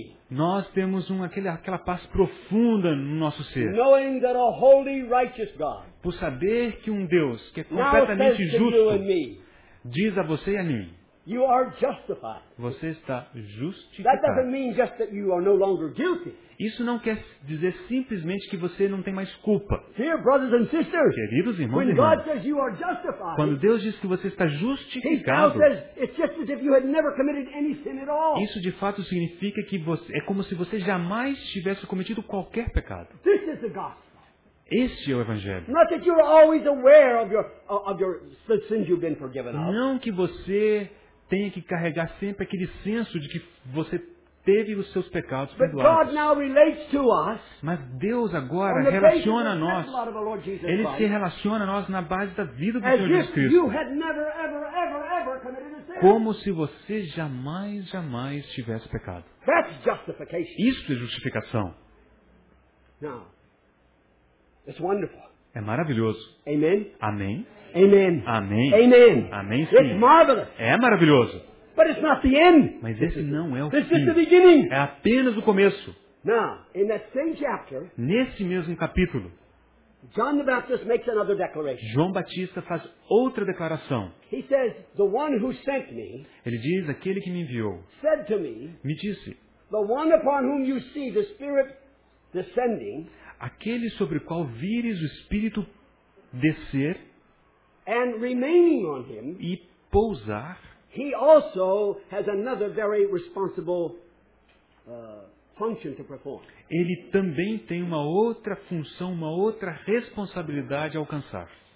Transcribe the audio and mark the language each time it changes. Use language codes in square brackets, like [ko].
[pt] Nós temos aquela paz profunda no nosso ser. [en] Knowing that a holy, righteous God, [pt] por saber que um Deus que é completamente justo diz a você e a mim, [en] you are justified. [pt] Você está justificado. [en] That doesn't mean just that you are no longer guilty. [pt] Isso não quer dizer simplesmente que você não tem mais culpa. [en] Dear brothers and sisters, [pt] queridos irmãos, [en] when God says you are justified, [pt] quando Deus diz que você está justificado, [en] it's just as if you had never committed any sin at all. [pt] Isso de fato significa que você, é como se você jamais tivesse cometido qualquer pecado. [en] This is the gospel. [pt] Este é o Evangelho. [en] Not that you're always aware of your sins you've been forgiven of. [pt] Não que você tenha que carregar sempre aquele senso de que você teve os seus pecados perdoados. [en] But God now relates to us. [pt] Mas Deus agora relaciona a nós. Ele [en] Christ, [pt] se relaciona a nós na base da vida do Senhor Jesus Cristo. [en] You had never, ever, ever, ever committed a sin. [pt] Como se você jamais tivesse pecado. [en] That's justification. [pt] Isso é justificação. [en] Now, it's wonderful. [pt] É maravilhoso. [en] Amen. [pt] Amém. [en] Amen. [pt] Amém. [en] Amen. [pt] Amém. Sim. [en] It's marvelous. [pt] É maravilhoso. [en] But it's not the end. [pt] Mas esse não é o [en] this [pt] fim. [en] This is the beginning. [pt] É apenas o começo. [en] Now, in that same chapter, [pt] nesse mesmo capítulo, [en] John the Baptist makes another declaration. [pt] João Batista faz outra declaração. [en] He says, the one who sent me, [pt] ele diz, aquele que me enviou, [en] said to me, [pt] me disse, [en] the one upon whom you see the Spirit descending, [pt] aquele sobre o qual vires o Espírito descer [en] and remaining on him, [pt] e pousar, [en] he also has another very responsible, function to perform. [pt] Ele também tem uma outra função, uma outra responsabilidade a alcançar.